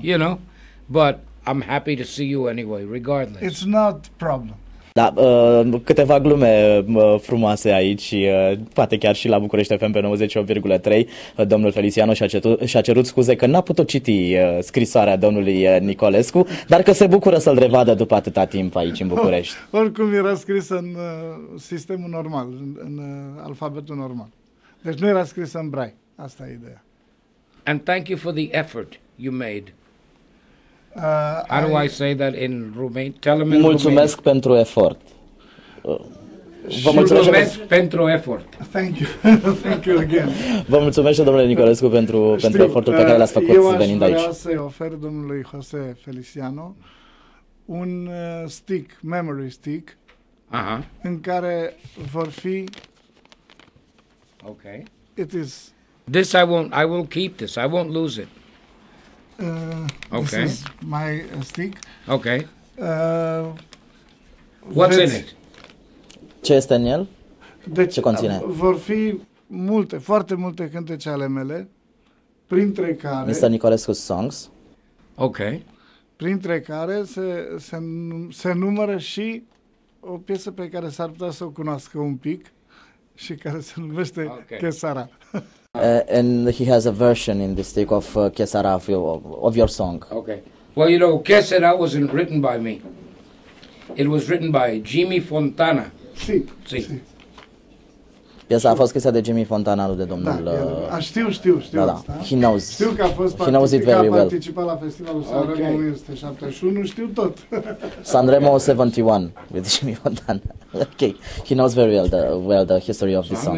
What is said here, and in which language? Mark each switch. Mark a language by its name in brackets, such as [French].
[English] You know, but I'm happy to see you anyway, regardless. It's not problem. [Romanian] Da, câteva glume frumoase aici, poate chiar și la București FM pe 98,3. Domnul Feliciano și-a cerut scuze că n-a putut citi scrisoarea domnului Nicolescu, dar că se bucură să-l revadă după atâta timp aici în București. Oricum era scrisă în sistemul normal, în alfabetul normal. Deci nu era scrisă în brai. Asta e ideea. [English] And thank you for the effort you made. How do I say that in Romanian? Tell me. [Romanian] Mulțumesc pentru efort. Vă mulțumesc pentru efort. [English] Thank you. Thank you again. [Romanian] Vă mulțumesc, domnule Nicolescu, pentru efortul pe care l-ați făcut venind aici. Eu aș vrea să-i ofer domnului José Feliciano un stick, memory stick, în care vor fi... [English] Okay. It is... This I will keep this. I won't lose it. This is my stick. Okay. What's in it? [Romanian] Ce este în el? Deci, ce conține? Vor fi multe, foarte multe cântece ale mele, printre care... [English] Mr. Nicolescu's songs. Okay. [Romanian] Printre care se numără și o piesă pe care s-ar putea să o cunoască un pic și care se numește Chesara. [English] And he has a version in the stick of Que Sera of your song. Okay. Well, you know, Que Sera wasn't written by me. It was written by Jimmy Fontana. [Spanish] Si. [Romanian] Piesa a fost scrisă de Jimmy Fontana, nu de domnul... Știu. [English] Da. He knows. [Romanian] Știu că a fost [English] he knows it very well. [Romanian] A participat la festivalul Sanremo 1971, știu tot. [English] Sanremo 71, with Jimmy Fontana. Okay. He knows very well the history of this song.